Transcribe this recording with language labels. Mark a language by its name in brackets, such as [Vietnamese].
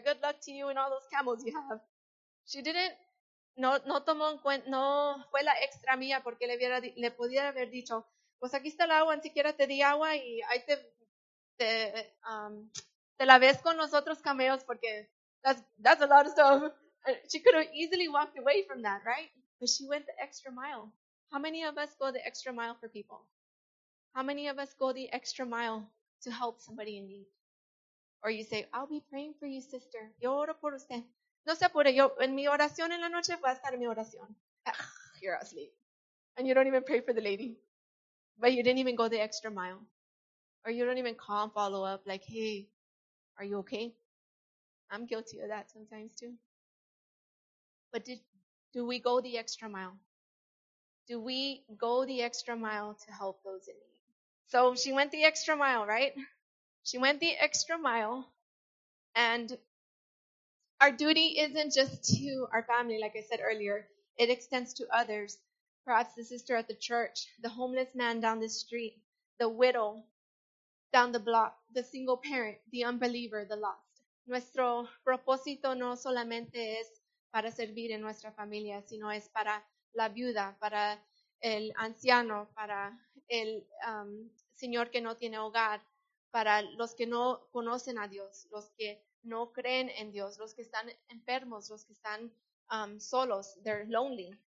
[English] Good luck to you and all those camels you have. She didn't, [Spanish] no tomó en cuenta, no fue la extra mía porque le pudiera haber dicho, pues aquí está el agua, ni siquiera te di agua y ahí te la ves con los otros camellos porque [English] that's a lot of stuff. She could have easily walked away from that, right? But she went the extra mile. How many of us go the extra mile for people? How many of us go the extra mile to help somebody in need? Or you say, I'll be praying for you, sister. [Spanish] Yo oro por usted. No se apure. Yo, en mi oración en la noche va a estar mi oración. [English] You're asleep. And you don't even pray for the lady. But you didn't even go the extra mile. Or you don't even call and follow up like, hey, are you okay? I'm guilty of that sometimes too. But do we go the extra mile? Do we go the extra mile to help those in need? So she went the extra mile, right? She went the extra mile. And our duty isn't just to our family, like I said earlier. It extends to others. Perhaps the sister at the church, the homeless man down the street, the widow down the block, the single parent, the unbeliever, the lost. [Spanish] Nuestro propósito no solamente es para servir en nuestra familia, sino es para la viuda, para el anciano, para el señor que no tiene hogar, para los que no conocen a Dios, los que no creen en Dios, los que están enfermos, los que están solos, [English] they're lonely.